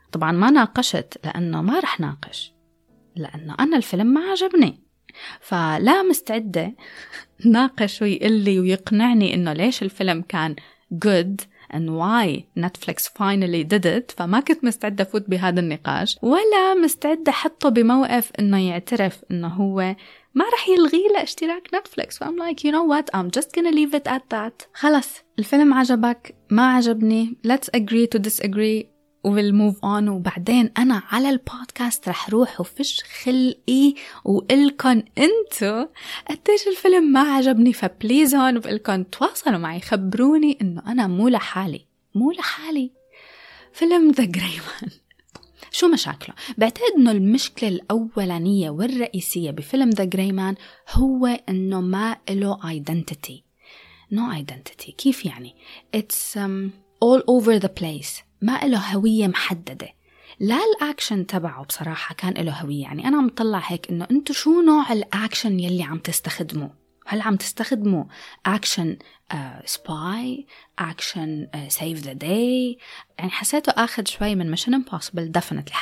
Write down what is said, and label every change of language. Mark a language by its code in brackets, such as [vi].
[ar] طبعا ما ناقشت لانه ما رح ناقش لانه انا الفيلم ما عجبني, فلا مستعدة ناقش ويقول لي ويقنعني إنه ليش الفيلم كان [en] good and why Netflix finally did it. [ar] فما كنت مستعدة فوت بهذا النقاش ولا مستعدة حطه بموقف إنه يعترف إنه هو ما رح يلغي لاشتراك Netflix. فأم [en] like you know what I'm just gonna leave it at that. [ar] خلص الفيلم عجبك ما عجبني [en] let's agree to disagree we'll move on. [ar] وبعدين أنا على البودكاست رح روح وفش خلقي وقلكن أنتو قديش الفيلم ما عجبني, فبليزون وقلكن تواصلوا معي خبروني إنه أنا مو لحالي. فيلم The Gray Man شو مشاكله؟ بعتقد إنه المشكلة الأولانية والرئيسية بفيلم The Gray Man هو إنه ما إله identity. [en] No identity [ar] كيف يعني؟ [en] It's all over the place. [ar] ما له هوية محددة. لا الأكشن تبعه بصراحة كان له هوية. يعني أنا عم طلع هيك إنه أنتوا شو نوع الأكشن يلي عم تستخدموا؟ هل عم تستخدموا أكشن سباي؟ أكشن سايف ذا داي؟ يعني حسيته أخذ شوي من ميشن امبوسيبل دفنتلي.